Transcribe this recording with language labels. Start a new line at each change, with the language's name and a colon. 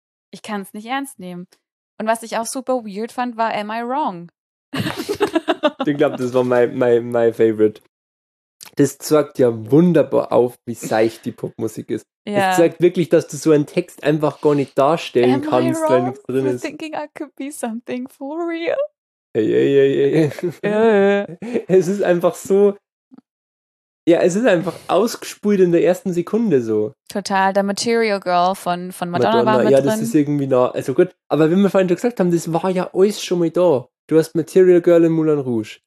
German: Ich kann es nicht ernst nehmen. Und was ich auch super weird fand, war Am I Wrong? Ich glaube, das war mein Favorite. Das zeigt ja wunderbar auf, wie seicht die Popmusik ist. Ja. Es zeigt wirklich, dass du so einen Text einfach gar nicht darstellen kannst, wenn nichts drin ist.
English: I thinking I could be something for real?
German: Es ist einfach so, es ist einfach ausgespült in der ersten Sekunde so. Total, der Material Girl von Madonna war mit drin. Ja, das ist irgendwie nah, also gut. Aber wie wir vorhin schon gesagt haben, das war ja alles schon mal da. Du hast Material Girl in Moulin Rouge.